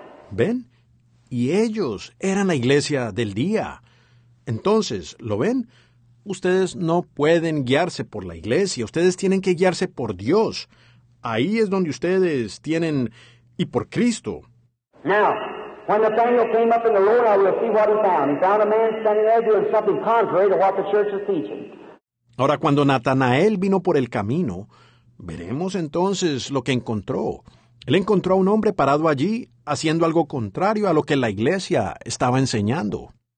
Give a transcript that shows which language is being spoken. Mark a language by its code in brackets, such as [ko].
[es] ¿Ven? Y ellos eran la iglesia del día. Entonces, ¿lo ven? Ustedes no pueden guiarse por la iglesia. Ustedes tienen que guiarse por Dios. Ahí es donde ustedes tienen, y por Cristo. [en] Now, when Nathanael came up in the Lord, I will see what he found. He found a man standing there doing something contrary to what the church is teaching. [es] Ahora, cuando Natanael vino por el camino, veremos entonces lo que encontró. Él encontró a un hombre parado allí, haciendo algo contrario a lo que la iglesia estaba enseñando.